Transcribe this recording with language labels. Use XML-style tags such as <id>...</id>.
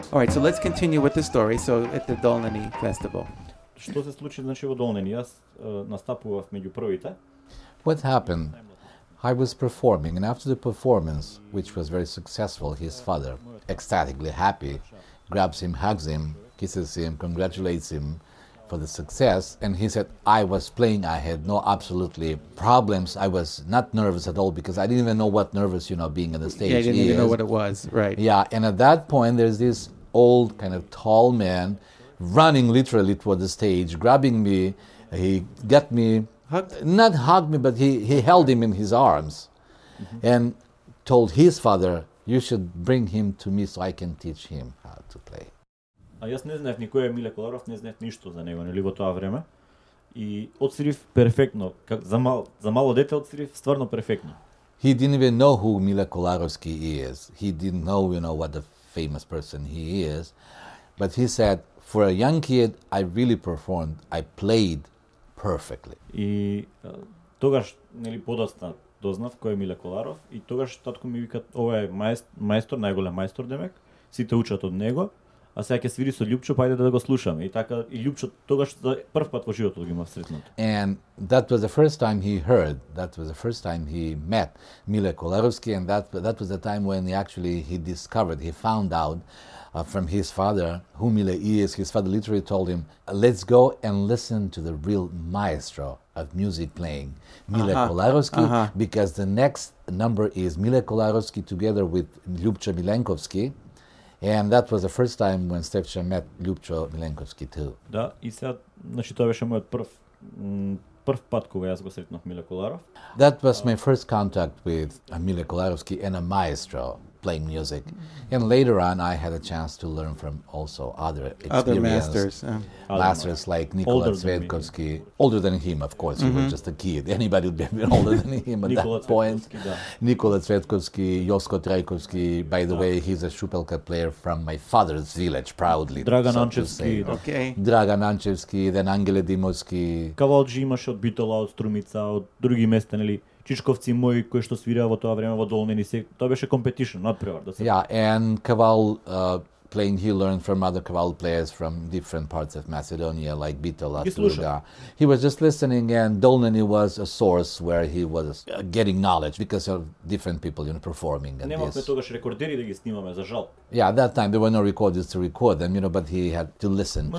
<en>So let's continue with the story. So at the Dolneni festival.</en> <mk>Што се случи значи во Долнени? Јас настапував меѓу првите.</mk> <en>What happened? I was performing, and after the performance, which was very successful, his father, ecstatically happy, grabs him, hugs him, kisses him, congratulates him for the success, and he said, "I was playing. I had no absolutely problems. I was not nervous at all because I didn't even know what nervous, you know, being on the stage." Yeah, he didn't even know what it was, right? Yeah, and at that point, there's this old kind of tall man running literally toward the stage, grabbing me. He got me, not hugged me, but he held him in his arms and told his father, "You should bring him to me so I can teach him how to play."</en> <mk>А јас не знаев ни кој е Миле Колоров, не знаев ништо за него, нели во тоа време. И отсвирив перфектно, за мало дете отсвирив стварно перфектно.</mk> <en>He didn't even know who Mile Kolarovski is. He didn't know, you know, what the famous person he is, but he said, "For a young kid, I really performed. I played perfectly."</en> <mk>И тогаш нели подоцна дознав кој е Миле Коларов и тогаш татко ми вика, "Ова е мајстор, најголем мајстор демек. Сите учат од него, а сега ќе свири со Љупчо, пајде да го слушаме." И така и Љупчо тогаш за прв пат во животот го имав сретното.</mk> <en>And that was the first time he heard. That was the first time he met Mile Kolarovski, and that was the time when he found out from his father who Mile is. His father literally told him, "Let's go and listen to the real maestro of music playing, Mile Kolarovski, because the next number is Mile Kolarovski together with Ljubča Milenkovski." And that was the first time when Stepcha met Ljubčo Milenkovski too.</en> <mk>Да, и сега, значи тоа беше мојот прв пат кога јас го сретнав Миле Коларов.</mk> <en>That was my first contact with Mile Kolarovski and a maestro. playing music. Mm-hmm. And later on, I had a chance to learn from also other experienced other masters. Masters like Nikola Zvedkovsky. Older than him, of course. Mm-hmm. He was just a kid. Anybody would be older than him at that point. Nikola Zvedkovsky, Josko Trajkovsky. By the way, he's a Shupelka player from my father's village, proudly. Dragan Ančevski. Okay. Dragan Ančevski, then Angele Dimovski.</en> <mk>Kavalji imaš od Bitola, od Strumica, od drugih mesta, neli? Чичковци мои кои што свираа во тоа време во Долнини се тоа беше</mk> <en>competition,</en> <mk>надпревар да се.</mk> <en>Yeah, and Kaval playing, he learned from other Kaval players from different parts of Macedonia, like Bitola, Sluga. He was just listening, and Dolnini was a source where he was getting knowledge because of different people, you know, performing. And</en> <mk>немахме тогаш рекордери да ги снимаме, за жал.</mk> <en>Yeah, at that time there were no recorders to record them, you know, but he had to listen to</en>